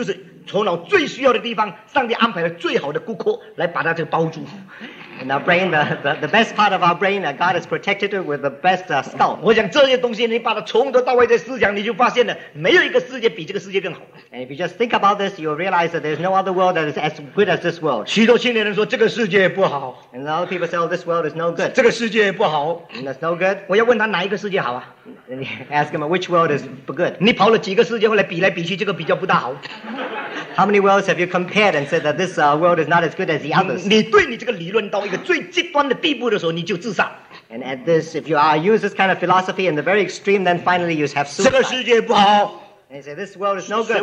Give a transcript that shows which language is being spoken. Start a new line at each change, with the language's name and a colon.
Chinese: 我们头脑最坚固的地方,就是头脑最需要的地方, 上帝安排了最好的骨骼来把它这个包住。
English: And our brain, the best part of our brain, God has protected it with the best skull.
Chinese: 我想这些东西你把它从头到尾的思想,你就发现了,没有一个世界比这个世界更好。
English: And if you just think about this, you'll realize that there's no other world that is as good as this world.
Chinese: 许多青年人说,这个世界不好。
English: And a lot of people say, oh, this world is no good.
Chinese: 这个世界不好。
English: And that's no good.
Chinese: 我要问他哪一个世界好啊?
English: And you ask him, which world is good?
Chinese: 你跑了几个世界后来比来比去,这个比较不大好。
English: How many worlds have you compared and said that this world is not as good as the others?
Chinese: 你对你这个理论到一个最极端的地步的时候,你就自杀。
English: And at this, if you use this kind of philosophy in the very extreme, then finally you have suicide.
Chinese: 这个世界不好。
English: And he said, this world is no good.